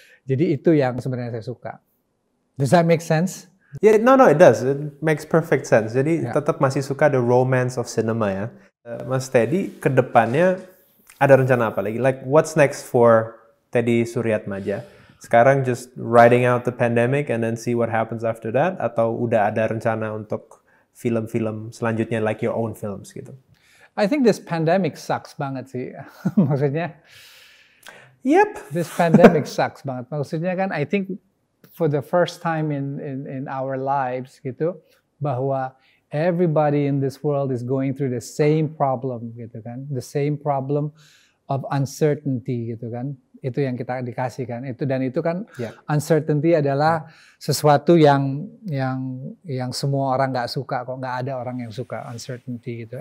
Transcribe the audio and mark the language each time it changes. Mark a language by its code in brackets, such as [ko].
[id] Jadi itu yang sebenarnya saya suka. [en] Does that make sense? Yeah, no, it does. It makes perfect sense. [id] Jadi tetap masih suka [en] the romance of cinema ya. [id] Mas Teddy, kedepannya ada rencana apa lagi? [en] Like, what's next for Teddy Suryatmaja? [id] Sekarang [en] just riding out the pandemic and then see what happens after that? [id] Atau udah ada rencana untuk film-film selanjutnya, [en] like your own films [id] gitu? [en] I think this pandemic sucks [id] banget sih. Maksudnya? [en] Yep. This pandemic sucks [id] banget. Maksudnya kan, [en] I think for the first time in our lives gitu, [id] bahwa [en] everybody in this world is going through the same problem gitu kan. The same problem of uncertainty gitu kan. [id] Itu yang kita dikasih kan. Itu dan itu kan uncertainty adalah sesuatu yang semua orang enggak suka kok. Enggak ada orang yang suka uncertainty gitu.